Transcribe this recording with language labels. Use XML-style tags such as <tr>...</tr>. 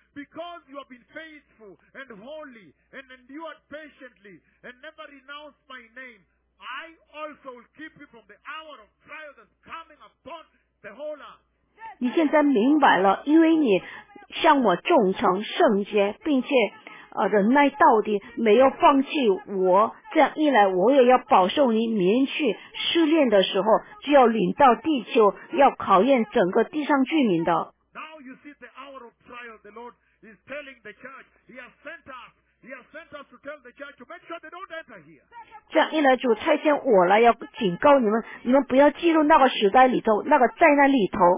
<en>Because you have been faithful and holy and endured patiently and never renounced my name, I also will keep you from the hour of trial that's coming upon the whole earth.</en> <zh>你现在明白了，因为你向我忠诚圣洁，并且忍耐到底，没有放弃我，这样一来我也要保守你免去试炼的时候，就要领到地球，要考验整个地上居民的。</zh> <en>Now you see the hour of trial the Lord is telling the church. He has sent us. He has sent us to tell the church to make sure they don't enter here.</en> <zh>这样一来主差遣我来要警告你们，你们不要进入那个时代里头，那个灾难里头。</zh>